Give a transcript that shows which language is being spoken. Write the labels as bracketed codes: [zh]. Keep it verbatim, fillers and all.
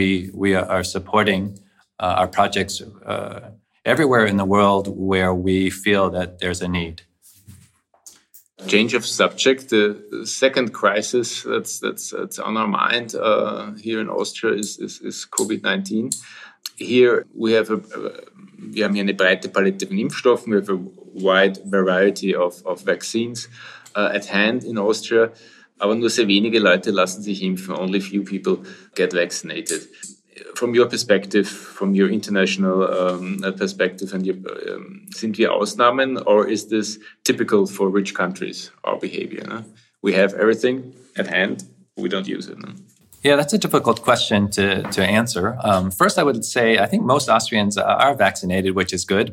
[en] We we are supporting uh, our projects uh, everywhere in the world where we feel that there's a need. Change of subject. The second crisis that's that's, that's on our mind uh, here in Austria is, is, is COVID nineteen. Here we have a, a [de] Wir haben hier eine breite Palette von Impfstoffen, wir haben eine [en] wide variety of, of vaccines uh, at hand in Austria, [de] aber nur sehr wenige Leute lassen sich impfen. [en] Only few people get vaccinated. From your perspective, from your international um, perspective, and your, um, [de] sind wir Ausnahmen [en] or is this typical for rich countries, our behavior? No? We have everything at hand, we don't use it. No? Yeah, that's a difficult question to, to answer. Um, first, I would say I think most Austrians are vaccinated, which is good.